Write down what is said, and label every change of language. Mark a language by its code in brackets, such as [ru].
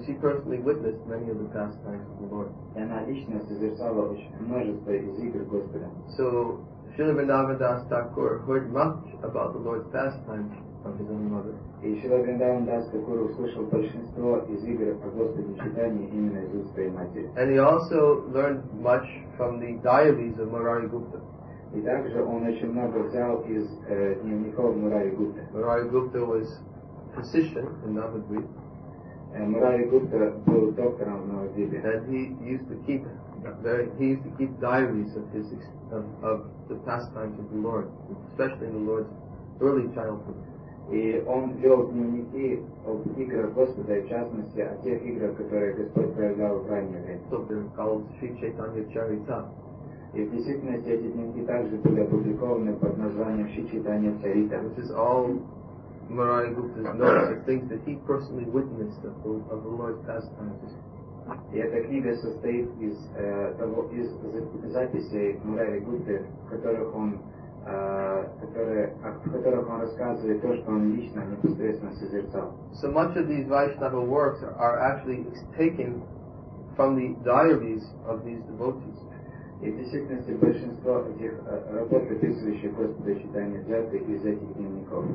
[en] And she personally witnessed many of the pastimes of the Lord. [ru] И она лично созерцала множество из игр Господа. [en] So, Śrīla Vṛndāvana Dāsa Thakura heard much about the Lord's pastimes from his own mother. [ru] И Śrīla Vṛndāvana Dāsa Thakura услышал большинство из игр о Господе Чайтаньи именно из уст своей матери. [en] And he also learned much from the diaries of Murari Gupta. [ru] И также он очень много взял из дневников Мурари Гупты. [en] Мурари Гупта was physician in Навадвип. [ru] Мурари Гупта был доктором в Навадвипе. [en] And he used to keep diaries of the pastimes of the Lord, especially in the Lord's early childhood. [ru] И он вел дневники об играх Господа, и в частности о тех играх, которые Господь проявлял в раннее время. И в действительности эти дневники также были опубликованы под названием Шри Чайтанья Чарита. [en] Which is all Murari Gupta's notes of things that he personally witnessed of the Lord's pastimes. [ru] И эта книга состоит из того из записей Мурари Гупты, в которых он рассказывает то, что он лично непосредственно созерцал. [en] So much of these Vaishnava works are actually taken from the diaries of these devotees. [ru] И в действительности большинство этих работ, описывающих Господа Чайтанья Джаты, из этих дневников.